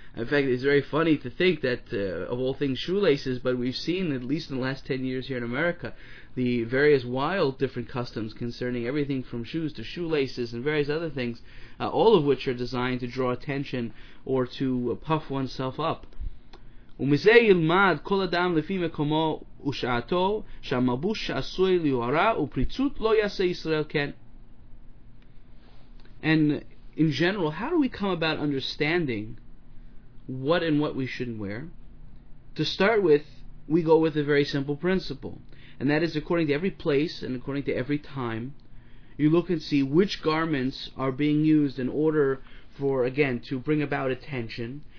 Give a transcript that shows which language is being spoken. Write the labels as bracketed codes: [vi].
[en] In fact, it's very funny to think that, of all things, shoelaces, but we've seen, at least in the last 10 years here in America, the various wild different customs concerning everything from shoes to shoelaces and various other things, all of which are designed to draw attention or to puff oneself up. [he] ומזה ילמד כל אדם לפי מקומו ושעתו, שהמבוש שעשוי ליוהרה ופריצות לא יעשה ישראל כן. [en] And in general, how do we come about understanding what and what we shouldn't wear? To start with, we go with a very simple principle. And that is, according to every place and according to every time, you look and see which garments are being used in order for, again, to bring about attention.